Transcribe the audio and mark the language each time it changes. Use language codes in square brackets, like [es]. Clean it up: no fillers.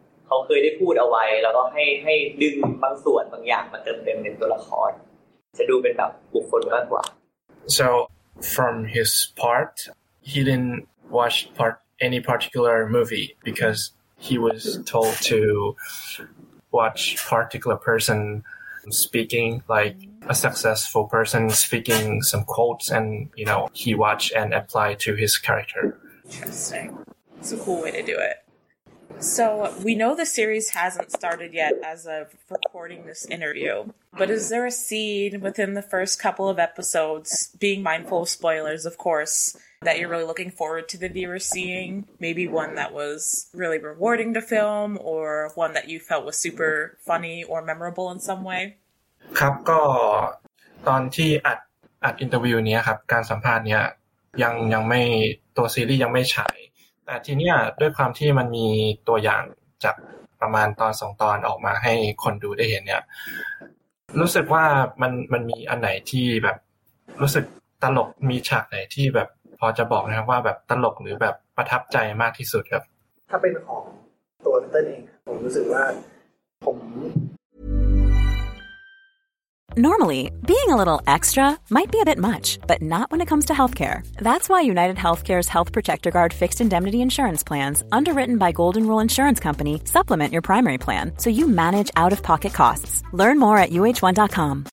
[th] ขาเคยได้พูดเอาไว้แล้วก็ให้ดึงบางส่วนบางอย่างมาเติมเต็มเป็นตัวละครจะดูเป็นแบบบุคคลมากกว่า [en] So from his part he didn't watch any particular movie because he was told to watch particular person speaking like a successful person speaking some quotes and you know he watched and applied to his character interesting it's a cool way to do it so we know the series hasn't started yet as of recording this interview but is there a scene within the first couple of episodes being mindful of spoilers of course that you're really looking forward to the viewer seeing maybe one that was really rewarding to film or one that you felt was super funny or memorable in some way [th] ครับก็ตอนที่อัดอินเตอร์วิวเนี้ยครับการสัมภาษณ์เนี้ยยังไม่ตัวซีรีส์ยังไม่ฉายแต่ทีเนี้ยด้วยความที่มันมีตัวอย่างจากประมาณตอน2ตอนออกมาให้คนดูได้เห็นเนี่ยรู้สึกว่ามันมีอันไหนที่แบบรู้สึกตลกมีฉากไหนที่แบบพอจะบอกนะครับว่าแบบตลกหรือแบบประทับใจมากที่สุดครับ ถ้าเป็นของตัวเต้นเองผมรู้สึกว่าผม [en] Normally, being a little extra might be a bit much, but not when it comes to healthcare. That's why UnitedHealthcare's Health Protector Guard fixed indemnity insurance plans, underwritten by Golden Rule Insurance Company, supplement your primary plan so you manage out-of-pocket costs. Learn more at uh1.com.